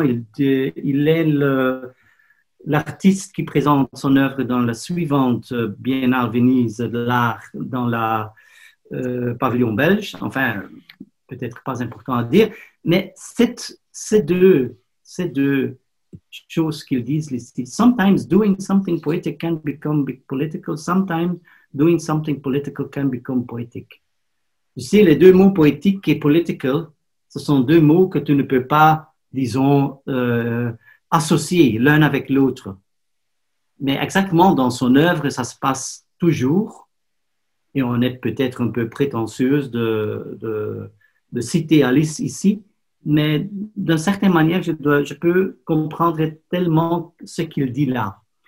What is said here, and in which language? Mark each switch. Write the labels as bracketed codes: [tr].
[fr] Il est l'artiste qui présente son œuvre dans la suivante Biennale Venise de l'art dans le pavillon belge. Enfin, peut-être pas important à dire, mais ces deux choses qu'ils disent ici. [en] Sometimes doing something poetic can become political. Sometimes doing something political can become poetic. [fr] Tu sais, les deux mots poétique et political, ce sont deux mots que tu ne peux pas, disons, associer l'un avec l'autre. Mais exactement dans son œuvre, ça se passe toujours. Et on est peut-être un peu prétentieuse de citer Alice ici, mais d'une certaine manière, je peux comprendre tellement ce qu'il dit là.